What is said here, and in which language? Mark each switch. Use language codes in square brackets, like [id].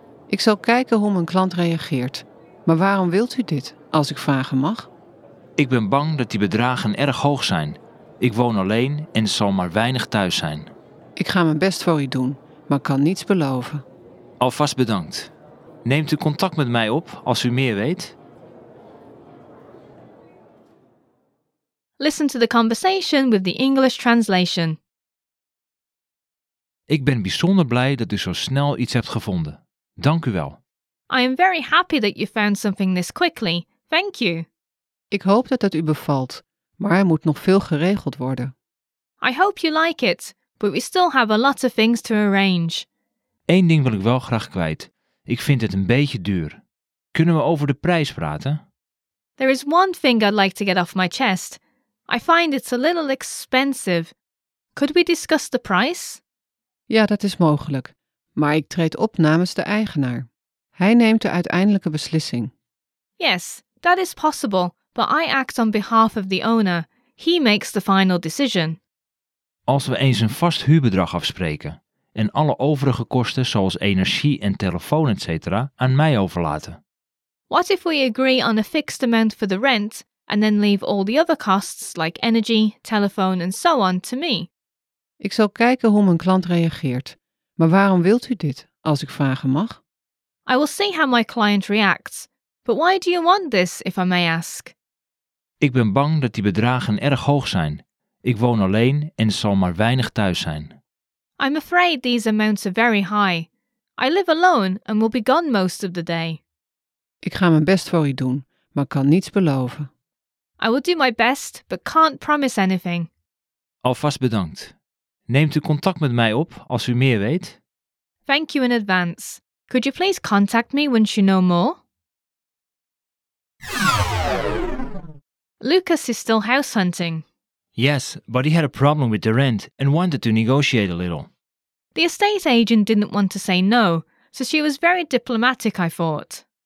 [nl] Ik zal kijken hoe mijn klant reageert. Maar waarom wilt u dit, als ik vragen mag? Ik ben bang dat die bedragen erg hoog zijn. Ik woon alleen en zal maar weinig thuis zijn. Ik ga mijn best voor u doen, maar kan niets beloven. Alvast bedankt. Neemt u contact met mij op als u meer weet? [en] Listen to the conversation with the English translation. [nl] Ik ben bijzonder blij dat u zo snel iets hebt gevonden. Dank u wel. [en] I am very happy that you found something this quickly. Thank you. [nl] Ik hoop dat het u bevalt, maar er moet nog veel geregeld worden. [en] I hope you like it, but we still have a lot of things to arrange. [nl] Eén ding wil ik wel graag kwijt. Ik vind het een beetje duur. Kunnen we over de prijs praten? [en] There is one thing I'd like to get off my chest. I find it's a little expensive. Could we discuss the price? [nl] Ja, dat is mogelijk. Maar ik treed op namens de eigenaar. Hij neemt de uiteindelijke beslissing. [en] Yes, that is possible, but I act on behalf of the owner. He makes the final decision. [nl] Als we eens een vast huurbedrag afspreken en alle overige kosten zoals energie en telefoon etc. aan mij overlaten. [en] What if we agree on a fixed amount for the rent? And then leave all the other costs, like energy, telephone and so on, to me. [nl] Ik zal kijken hoe mijn klant reageert. Maar waarom wilt u dit, als ik vragen mag? [en] I will see how my client reacts. But why do you want this, if I may ask? [nl] Ik ben bang dat die bedragen erg hoog zijn. Ik woon alleen en zal maar weinig thuis zijn. [en] I'm afraid these amounts are very high. I live alone and will be gone most of the day. [nl] Ik ga mijn best voor u doen, maar kan niets beloven. [en] I will do my best, but can't promise anything. [nl] Alvast bedankt. Neemt u contact met mij op als u meer weet? [en] Thank you in advance. Could you please contact me once you know more? Lucas is still house hunting. Yes, but he had a problem with the rent and wanted to negotiate a little. The estate agent didn't want to say no, so she was very diplomatic, I thought.